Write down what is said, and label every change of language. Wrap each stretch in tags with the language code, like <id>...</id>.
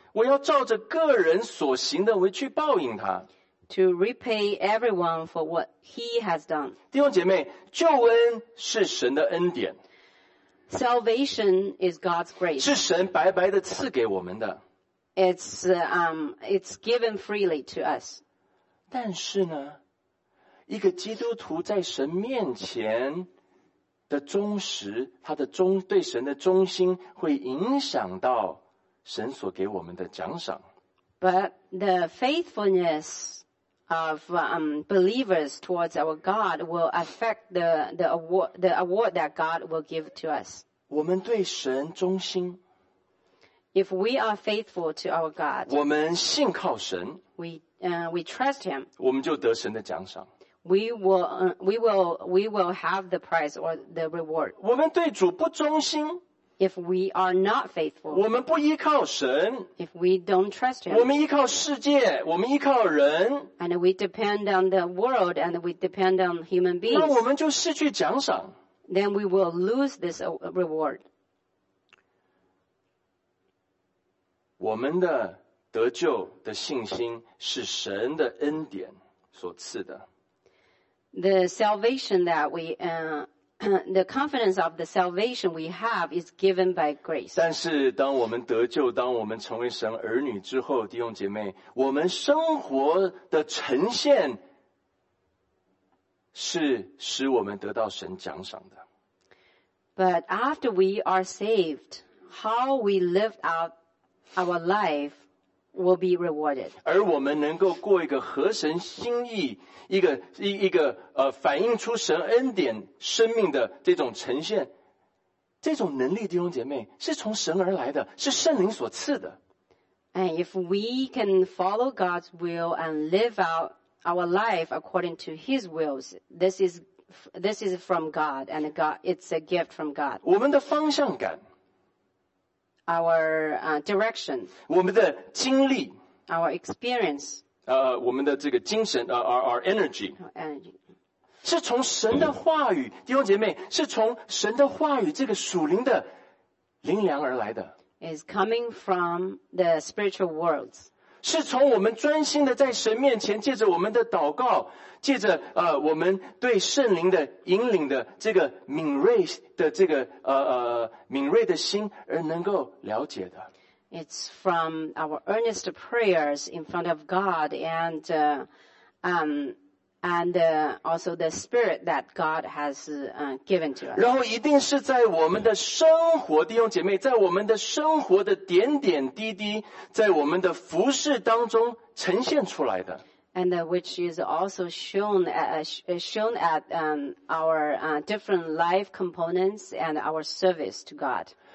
<zh>我要照着个人所行的为去报应他。</zh> <en>To repay everyone for what he has done.</en> <zh>弟兄姐妹，救恩是神的恩典。</zh> <en>Salvation is God's grace.</en> <zh>是神白白的赐给我们的。</zh> <en>It's given freely to us.</en> <zh>但是呢，一个基督徒在神面前的忠实，他的忠，对神的忠心会影响到神所给我们的奖赏。</zh> <en>But the faithfulness of believers towards our God will affect the award that God will give to us.</en> <zh>我们对神忠心。</zh> <en>If we are faithful to our God,</en> <zh>我们信靠神。</zh> <en>We trust him.</en> <zh>我们就得神的奖赏。</zh> <en>We will have the prize or the reward.</en> <zh>我们对主不忠心。</zh> <en>If we are not faithful.</en> <zh>我们不依靠神。</zh> <en>If we don't trust him.</en> <zh>我们依靠世界，我们依靠人。</zh> <en>And we depend on the world and we depend on human beings.</en> <zh>那我们就失去奖赏。</zh> <en>Then we will lose this reward.</en> <zh>我们的得救的信心是神的恩典所赐的。</zh> <en>The salvation that we, the confidence of the salvation we have is given by grace.</en> <zh>但是当我们得救，当我们成为神儿女之后，弟兄姐妹，我们生活的呈现是使我们得到神奖赏的。</zh> <en>But after we are saved, how we live out our life will be rewarded.</en> <zh>而我们能够过一个合神心意，一个反映出神恩典生命的这种呈现，这种能力，弟兄姐妹，是从神而来的，是圣灵所赐的。</zh> <en>And if we can follow God's will and live out our life according to His wills, this is from God, and God, it's a gift from God.</en> <zh>我们的方向感</zh> <en>our direction.</en> <zh>我们的精力,</zh> <en>our experience.</en> <zh>我们的这个精神,</zh> <en>our energy. Our energy.</en> <zh>是从神的话语, 弟兄姐妹, 是从神的话语, 这个属灵的灵粮而来的,</zh> <en>is coming from the spiritual worlds.</en> <zh>是从我们专心的在神面前, 借着我们的祷告, 借着, 我们对圣灵的引领的, 这个敏锐的, 敏锐的心而能够了解的。</zh> <en>It's from our earnest prayers in front of God and, also the spirit that God has given to us.</en> <zh>然后一定是在我们的生活, 弟兄姐妹, 在我们的生活的点点滴滴, 在我们的服事当中呈现出来的。</zh> <en>And which is also shown at our different life components and our service to God.</en>